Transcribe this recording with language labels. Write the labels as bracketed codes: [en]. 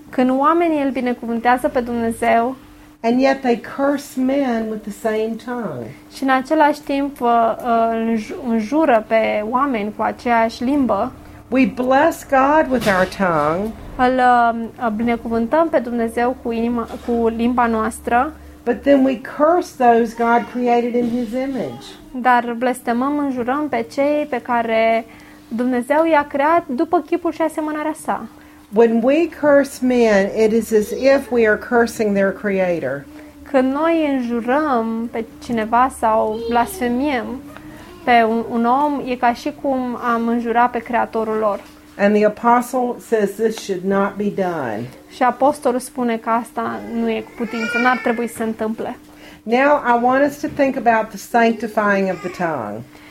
[ro] când oamenii îl binecuvântează pe Dumnezeu, [en] and yet they curse men with the same tongue. [ro] Și în același timp înjură pe oameni cu aceeași limbă. [en] We bless God with our tongue. [ro] Îl binecuvântăm pe Dumnezeu cu inima, cu limba noastră. [en] But then we curse those God created in his image. [ro] Dar blestemăm, înjurăm pe cei pe care Dumnezeu i-a creat după chipul și asemănarea sa. [en] When we curse men, it is as if we are cursing their creator. [ro] Când noi înjurăm pe cineva sau blasfemiem pe un om, e ca și cum am înjurat pe creatorul lor. [en] And the apostle says this should not be done. [ro] Și apostolul spune că asta nu e cu putință, n-ar trebui să se întâmple. [en] Now I want us to think about the sanctifying of the tongue.